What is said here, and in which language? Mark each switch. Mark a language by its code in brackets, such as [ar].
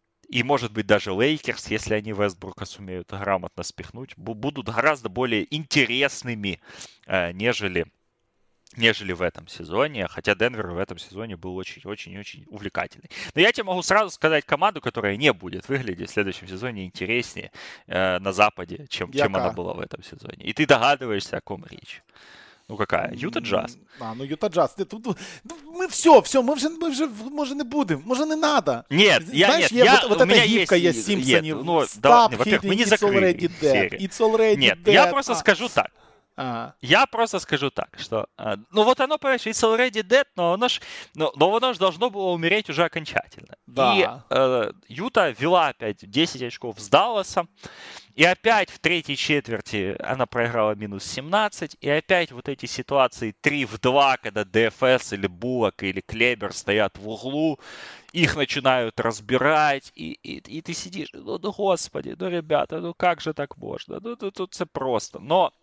[ru] И, может быть, даже Лейкерс, если они Вестбрука сумеют грамотно спихнуть, будут гораздо более интересными, нежели в этом сезоне. Хотя Денвер в этом сезоне был очень-очень-очень увлекательный. Но я тебе могу сразу сказать команду, которая не будет выглядеть в следующем сезоне интереснее на Западе, чем она была в этом сезоне. И ты догадываешься, о ком речь. Ну какая? Юта Джаз. А, ну Юта Джаз. [uk] Ми все, все, ми вже може не будемо, може не надо. Ні, знаєш, я, от ця гівка є Сімпсонів. Ну, стоп, хід, мені закрили серію. Ні, я просто скажу так. [ru] Я просто скажу так, что, ну вот оно, понимаешь, [en] it's already dead, [ru] но оно ж должно было умереть уже окончательно. Да. И Юта вела опять 10 очков с Далласом, и опять в третьей четверти она проиграла минус 17, и опять вот эти ситуации 3 в 2, когда DFS или Буллок или Клебер стоят в углу, их начинают разбирать, и ты сидишь, ну господи, ну ребята, ну как же так можно, ну тут все просто, но...